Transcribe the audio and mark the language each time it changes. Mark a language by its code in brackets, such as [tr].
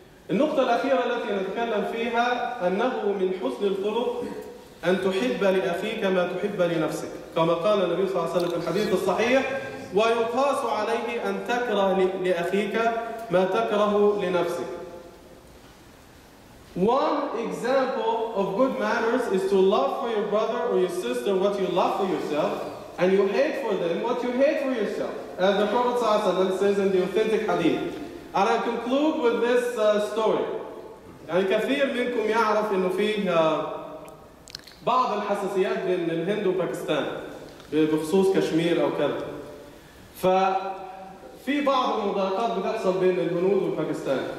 [ar] النقطة الأخيرة التي نتكلم فيها أنه من حسن الخلق أن تحب لأخيك ما تحب لنفسك، كما قال النبي صلى الله عليه وسلم في الحديث الصحيح، ويقاس عليه أن تكره لأخيك ما تكره لنفسك. [en] One example of good manners is to love for your brother or your sister what you love for yourself, and you hate for them what you hate for yourself. As the Prophet ﷺ says in the authentic hadith. And I conclude with this story. [ar] يعني كثير منكم يعرف إنه فيه بعض الحساسيات بين الهند وباكستان بخصوص كشمير أو كذا. ففي بعض المضايقات بتحصل بين الهنود والباكستان.